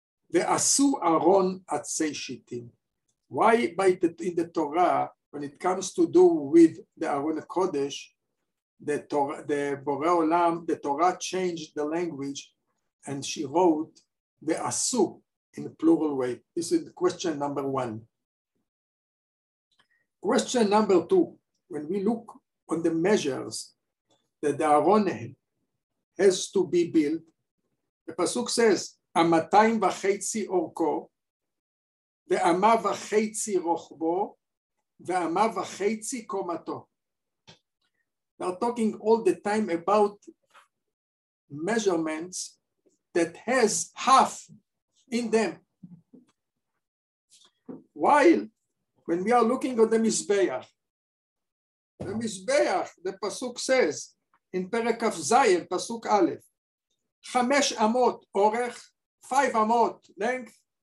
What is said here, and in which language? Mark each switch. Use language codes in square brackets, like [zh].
[he] ועשו ארון עצי שיטים. [en] Why by the, in the Torah, when it comes to do with the Aron HaKodesh, the Torah, the Borei Olam, the Torah changed the language and she wrote ועשו in a plural way. This is question number one. Question number two, when we look on the measures that the Aron has to be built, the Pasuk says, [he] המאתיים וחצי אורכו, ואמה וחצי רוחבו, ואמה וחצי קומתו. [en] They're talking all the time about measurements that has half in them. While when we are looking at the Mizbeach, the Pasuk says, in Perek of Zayin, Pasuk Aleph, [he] חמש עמות אורך, [en] five amot length.